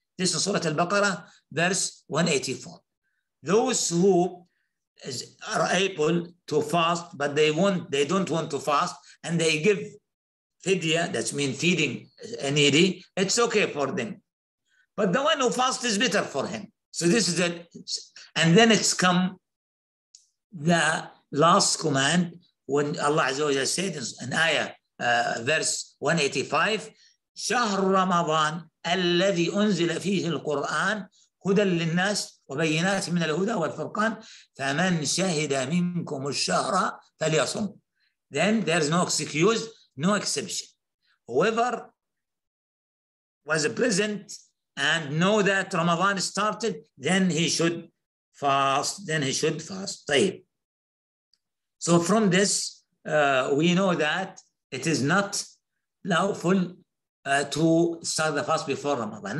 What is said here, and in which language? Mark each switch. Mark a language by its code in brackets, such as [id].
[en] This is Surah Al-Baqarah, verse 184. Those who are able to fast, but they don't want to fast, and they give fidya, that means feeding a needy, it's okay for them. But the one who fasts is better for him. So this is it. And then it's come the last command when Allah Azza wa Jalla said in ayah, verse 185, [ar] شهر رمضان الذي أنزل فيه القرآن هدى للناس وبينات من الهدى والفرقان فمن شهد منكم الشهر فليصم. [en] Then there's no excuse, no exception. Whoever was present and know that Ramadan started, then he should fast. [ar] طيب. [en] So from this, we know that it is not lawful to start the fast before Ramadan.